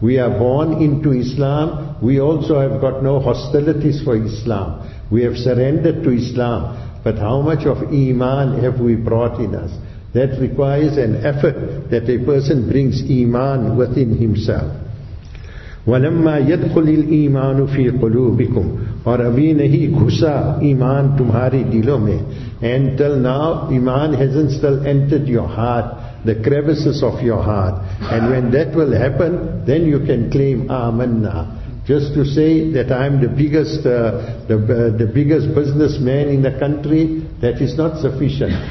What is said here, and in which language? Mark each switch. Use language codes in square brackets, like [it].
[en] We are born into Islam. We also have got no hostilities for Islam. We have surrendered to Islam. But how much of iman have we brought in us? That requires an effort that a person brings iman within himself. [ar] وَلَمَّا يَدْخُلِ الْإِيمَانُ فِي قُلُوبِكُمْ. [ur] اور ابھی نہیں گھسا ایمان تمہاری دلوں میں. [en] Until now, iman hasn't still entered your heart, the crevices of your heart. And when that will happen, then you can claim آمَنَّا. Just to say that I'm the biggest businessman in the country, that is not sufficient.